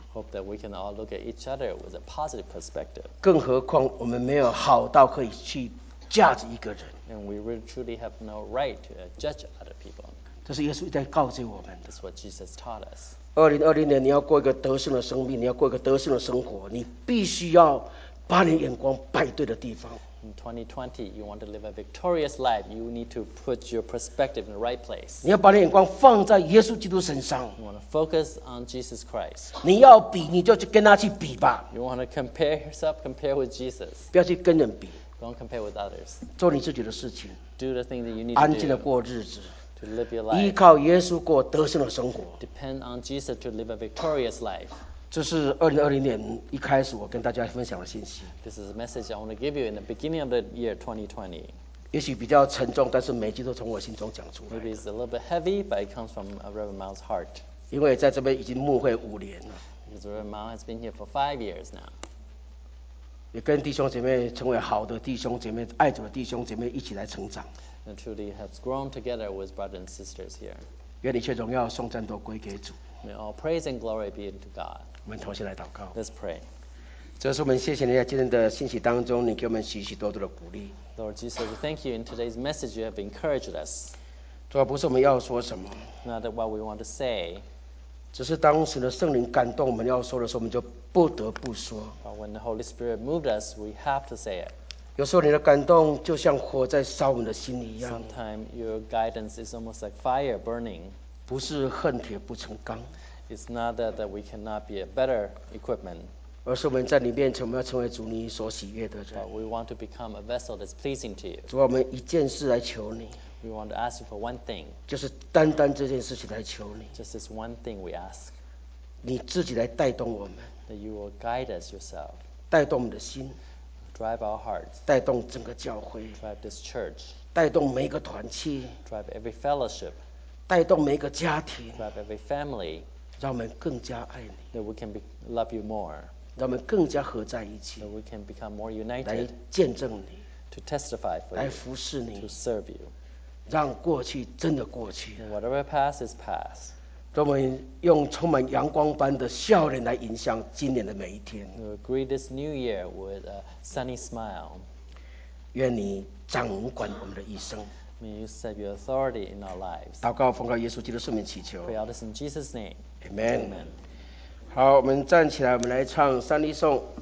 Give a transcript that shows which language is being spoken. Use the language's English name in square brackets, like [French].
[English] Hope that we can all look at each other with a positive perspective. [Chinese] 更何况我们没有好到可以去judge一个人。 [English] And we really truly have no right to judge other people. [Chinese] 这是耶稣在告诫我们的。 [English] That's what Jesus taught us. [Chinese] 2020年你要过一个得胜的生命, 你要过一个得胜的生活, 你必须要把你眼光摆对的地方。 [English] In 2020, you want to live a victorious life, you need to put your perspective in the right place. [Chinese] 你要把你眼光放在耶稣基督身上。 [English] You want to focus on Jesus Christ. [Chinese] 你要比你就跟他去比吧。 [English] You want to compare yourself, compare with Jesus. [Chinese] 不要去跟人比。 [English] Don't compare with others. [Chinese] 做你自己的事情。 [English] Do the thing that you need to do. [Chinese] 安静地过日子。 [English] To live your life. [Chinese] 依靠耶稣过得胜的生活。 [English] Depend on Jesus to live a victorious life. [Chinese] 这是2020年一开始我跟大家分享的信息。 [English] This is a message I want to give you in the beginning of the year 2020. [Chinese] 也许比较沉重， 但是每句都从我心中讲出来。 [English] Maybe it's a little bit heavy, but it comes from Reverend Mao's heart. [Chinese] 因为在这边已经牧会5年了。 [English] Because Reverend Mao has been here for 5 years now. [Chinese] 也跟弟兄姐妹成为好的弟兄姐妹， 爱主的弟兄姐妹一起来成长。 [English] And truly has grown together with brothers and sisters here. [Chinese] 愿一切荣耀颂赞都归给主。 [English] May all praise and glory be unto God. [Chinese] 我们同时来祷告。 [English] Let's pray. [Chinese] 这是我们谢谢你在今天的信息当中， 你给我们许许多多的鼓励。 [English] Lord Jesus, we thank you in today's message you have encouraged us. [Chinese] 主啊，不是我们要说什么。 [English] Not that what we want to say. [Chinese] 只是当时的圣灵感动我们要说的时候，我们就不得不说。 [English] But when the Holy Spirit moved us, we have to say it. [Chinese] 有时候你的感动就像火在烧我们的心里一样。 [English] Sometimes your guidance is almost like fire burning. [Chinese] 不是恨铁不成钢。 [English] It's not that we cannot be a better equipment. [Chinese] 而是我们在你面前，我们要成为主你所喜悦的人。 [English] But we want to become a vessel that's pleasing to you. [Chinese] 主啊，我们一件事来求你。 [English] We want to ask you for one thing. [Chinese] 就是单单这件事情来求你。 [English] Just this one thing we ask. [Chinese] 你自己来带动我们。 [English] That you will guide us yourself. [Chinese] 带动我们的心。 [English] Drive our hearts. [Chinese] 带动整个教会。 [English] Drive this church. [Chinese] 带动每个团契。 [English] Drive every fellowship. [Chinese] 带动每个家庭。 [English] Drive every family. [Chinese] 让我们更加爱你。 [English] That we can love you more. [Chinese] 让我们更加合在一起。 [English] That we can become more united. [Chinese] 来见证你。 [English] To testify for you. [Chinese] 来服侍你。 [English] To serve you. [Chinese] 让过去真的过去。 [English] Whatever past is past. [Chinese] 让我们用充满阳光般的笑脸来迎向今年的每一天。 [English] We greet this new year with a sunny smile. [Chinese] 愿你掌管我们的一生。 [English] May you set your authority in our lives. [Chinese] 祷告奉靠耶稣基督圣名祈求。 [English] Pray all this in Jesus' name. Amen. Amen. [Chinese] 好，我们站起来，我们来唱三力颂。